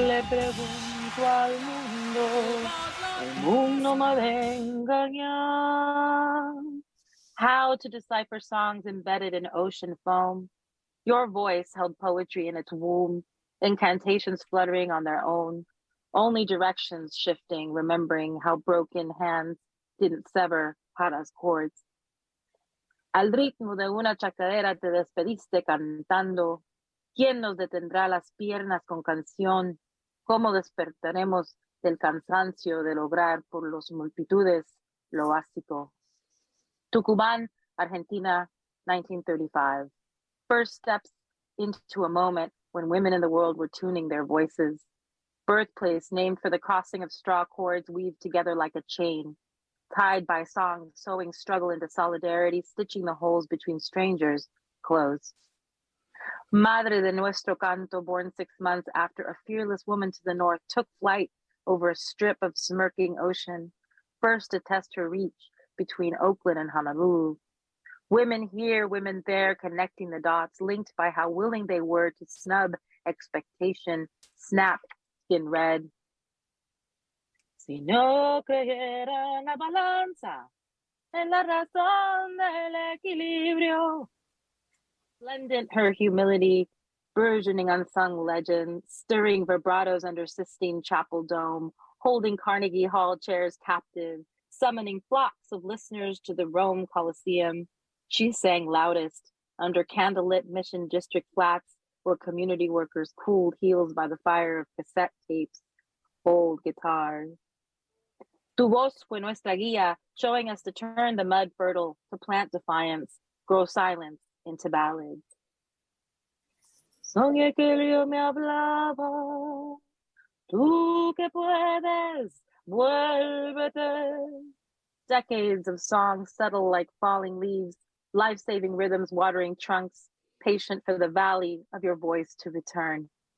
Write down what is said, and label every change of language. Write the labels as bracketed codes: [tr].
[es] Pregunto al mundo, el mundo me venga ya. [en] How to decipher songs embedded in ocean foam. Your voice held poetry in its womb, incantations fluttering on their own, only directions shifting, remembering how broken hands didn't sever Jara's chords. [es] Al ritmo de una chacarera te despediste cantando. ¿Quién nos detendrá las piernas con canción? ¿Cómo despertaremos del cansancio de lograr por las multitudes lo básico? Tucumán, Argentina, 1935. [en] First steps into a moment when women in the world were tuning their voices. Birthplace named for the crossing of straw cords weaved together like a chain. Tied by song, sewing struggle into solidarity, stitching the holes between strangers closed. Madre de nuestro canto, born 6 months after a fearless woman to the north took flight over a strip of smirking ocean, first to test her reach between Oakland and Honolulu. Women here, women there, connecting the dots, linked by how willing they were to snub expectation, snap skin red. [es] Si no creyera en la balanza, en la razón del equilibrio. [en] Splendent her humility, burgeoning unsung legend, stirring vibratos under Sistine Chapel dome, holding Carnegie Hall chairs captive, summoning flocks of listeners to the Rome Coliseum. She sang loudest under candlelit Mission District flats where community workers cooled heels by the fire of cassette tapes, old guitars. [es] Tu voz fue nuestra guía, [en] showing us to turn the mud fertile, to plant defiance, grow silence into ballads. [es] Soñé que yo me hablaba, tú que puedes, vuélvete. [en] Decades of songs subtle like falling leaves, life-saving rhythms watering trunks, patient for the valley of your voice to return.